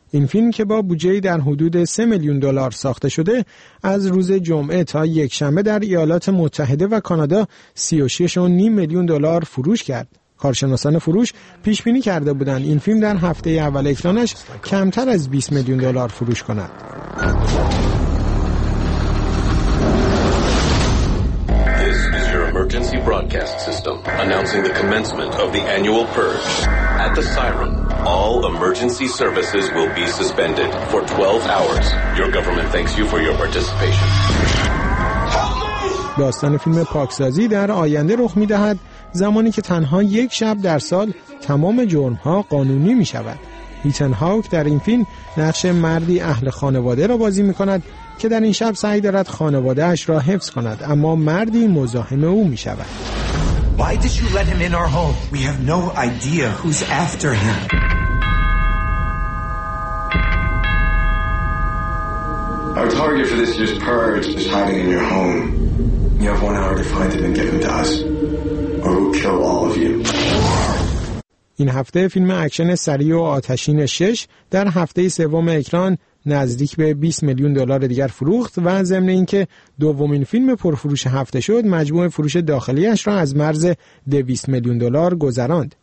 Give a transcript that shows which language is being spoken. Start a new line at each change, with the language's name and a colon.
Persian: این فیلم که با بودجه‌ای در حدود 3 میلیون دلار ساخته شده، از روز جمعه تا یک شنبه در ایالات متحده و کانادا 36.5 میلیون دلار فروش کرد. کارشناسان فروش پیش بینی کرده بودند این فیلم در هفته اول اکرانش کمتر از 20 میلیون دلار فروش کند.
English: Emergency broadcast system announcing the commencement of the annual purge. At the siren, all emergency services will be suspended for 12 hours. Your government thanks you for your participation.
Persian: داستان فیلم پاکسازی در آینده رخ می‌دهد زمانی که تنها یک شب در سال تمام جرم‌ها قانونی می‌شود. ایتن هاوک در این فیلم نقش مردی اهل خانواده را بازی می‌کند که در این شب سعی دارد خانواده اش را حفظ کند، اما مردی مزاحم او می شود.
English: Why did you let him in our home? We have no idea who's after him. Our target for this year's purge is hiding in your home. You have one hour to find him and get him to us, or we'll kill all of you.
Persian: این هفته فیلم اکشن سریع و آتشین 6 در هفته سوم اکران نزدیک به 20 میلیون دلار دیگر فروخت و ضمن اینکه دومین فیلم پرفروش هفته شد، مجموع فروش داخلیش را از مرز 200 میلیون دلار گذراند.